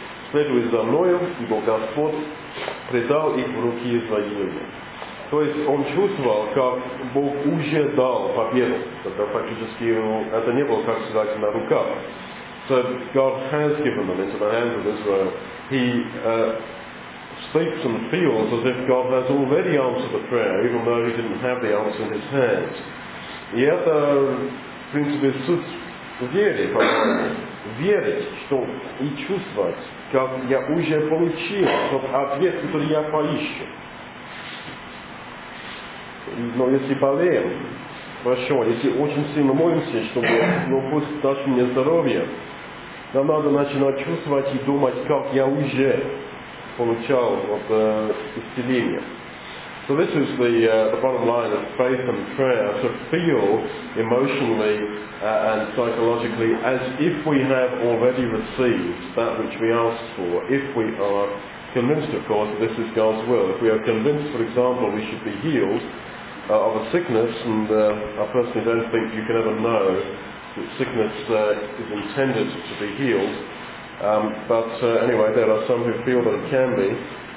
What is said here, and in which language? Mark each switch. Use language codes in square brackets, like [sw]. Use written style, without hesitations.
[ru] Следуй за мною, ибо Господь предал их в руки Израилю. То есть он чувствовал, как Бог уже дал победу. Это фактически это не было, как сказать, на руках. [en] So God has given them into the hands of Israel. He speaks and feels as if God has already answered the prayer, even though he didn't have the answer in his hands. [ru] И это, в принципе, суть веры, по-моему. Верить, что и чувствовать, как я уже получил тот ответ, который я поищу. Но если болеем, хорошо, если очень сильно молимся, чтобы, ну пусть даст мне здоровье, нам надо начинать чувствовать и думать, как я уже получал вот, исцеление. [en] So this is the bottom line of faith and prayer, to feel emotionally and psychologically as if we have already received that which we asked for, if we are convinced, of course, that this is God's will. If we are convinced, for example, we should be healed of a sickness, and I personally don't think you can ever know that sickness is intended to be healed, but anyway, there are some who feel that it can be.